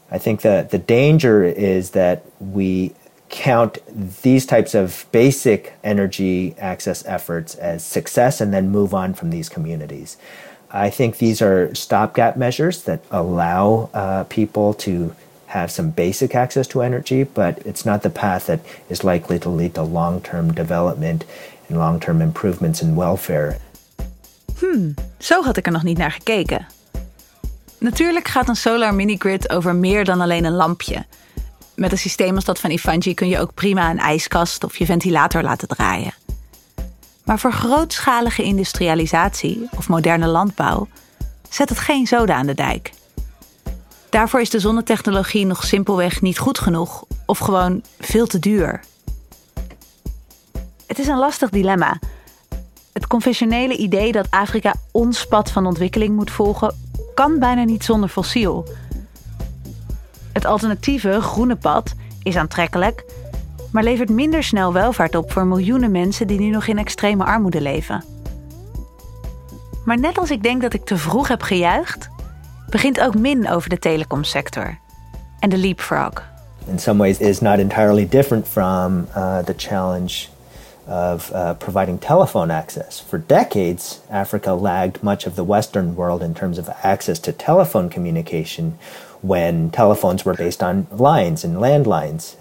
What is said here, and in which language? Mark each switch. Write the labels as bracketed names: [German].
[English] I think that the danger is that we count these types of basic energy access efforts as success and then move on from these communities. I think these are stopgap measures that allow people to have some basic access to energy, but it's not the path that is likely to lead to long-term development and long-term improvements in welfare. [Dutch] Zo had ik er nog niet naar gekeken. Natuurlijk gaat een solar mini-grid over meer dan alleen een lampje. Met een systeem als dat van Ifanji kun je ook prima een ijskast of je ventilator laten draaien. Maar voor grootschalige industrialisatie of moderne landbouw zet het geen zoden aan de dijk. Daarvoor is de zonnetechnologie nog simpelweg niet goed genoeg of gewoon veel te duur. Het is een lastig dilemma. Het conventionele idee dat Afrika ons pad van ontwikkeling moet volgen kan bijna niet zonder fossiel. Het alternatieve, groene pad, is aantrekkelijk, maar levert minder snel welvaart op voor miljoenen mensen die nu nog in extreme armoede leven. Maar net als ik denk dat ik te vroeg heb gejuicht, begint ook Min over de telecomsector en de leapfrog. [English] In some ways is not entirely different from the challenge of providing telephone access. For decades, Africa lagged much of the Western world in terms of access to telephone communication when telephones were based on lines and landlines.